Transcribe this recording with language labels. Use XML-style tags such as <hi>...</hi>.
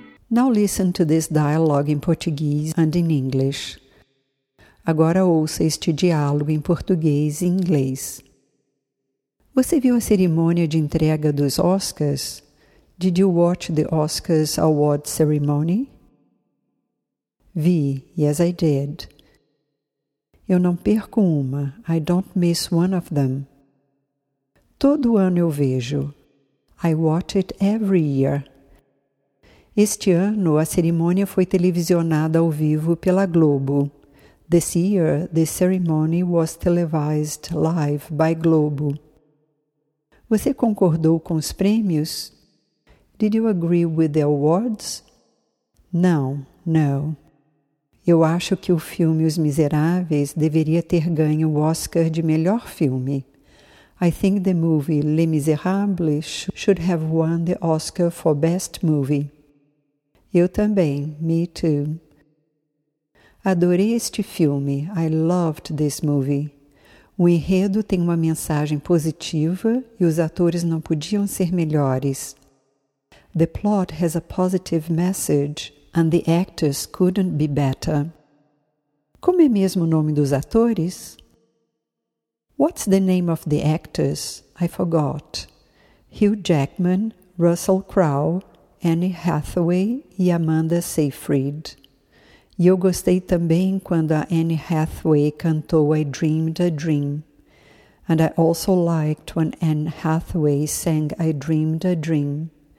<en>Now listen to this dialogue in Portuguese and in English.</en> <pt>Agora ouça este diálogo em português e inglês. Você viu a cerimônia de entrega dos Oscars?</pt> <en>Did you watch the Oscars award ceremony?</en> <pt>Vi,</pt> <en>yes I did.</en> <pt>Eu não perco uma,</pt> <en>I don't miss one of them.</en> <pt>Todo ano eu vejo.</pt> <en>I watch it every year.</en> <pt>Este ano a cerimônia foi televisionada ao vivo pela Globo.</pt> <en>This year the ceremony was televised live by Globo.</en> <pt>Você concordou com os prêmios?</pt> <en>Did you agree with the awards?</en> <pt>Não,</pt> <en>no.</en> <pt>Eu acho que o filme Os Miseráveis deveria ter ganho o Oscar de melhor filme.</pt> <en>I think the movie Les Misérables should have won the Oscar for best movie.</en> <pt>Eu também,</pt> <en>me too.</en> <pt>Adorei este filme.</pt> <en>I loved this movie.</en> <pt>O enredo tem uma mensagem positiva e os atores não podiam ser melhores.</pt> <en>The plot has a positive message and the actors couldn't be better.</en> <pt>Como é mesmo o nome dos atores?</pt> <en>What's the name of the actors? I forgot.</en> <pt>Hugh Jackman, Russell Crowe, Anne Hathaway e Amanda Seyfried. E eu gostei também quando a Anne Hathaway cantou I Dreamed a Dream.</pt> <en>And I also liked when Anne Hathaway sang I Dreamed a Dream.</en>